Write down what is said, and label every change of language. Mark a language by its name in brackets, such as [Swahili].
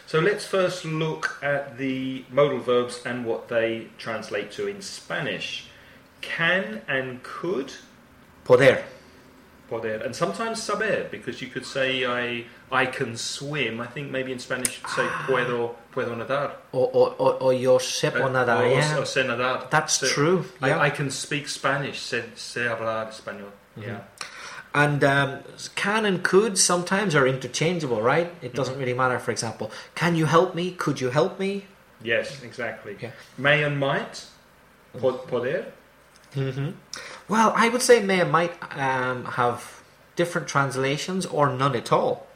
[English] So let's first look at the modal verbs and what they translate to in Spanish. Can and could. [Spanish] Poder. Poder. [English] And sometimes saber, because you could say I can swim. I think maybe in Spanish you'd say [Spanish] puedo nadar. O yo sepo nadar, O sé nadar. [English] That's so true. Yeah. I can speak Spanish, [Spanish] sé hablar español. [English] Mm-hmm. Yeah. And can and could sometimes are interchangeable, right? It doesn't really matter, for example. Can you help me? Could you help me? Yes, exactly. Yeah. May and might, poder. Mm-hmm. Well, I would say may and might have different translations or none at all.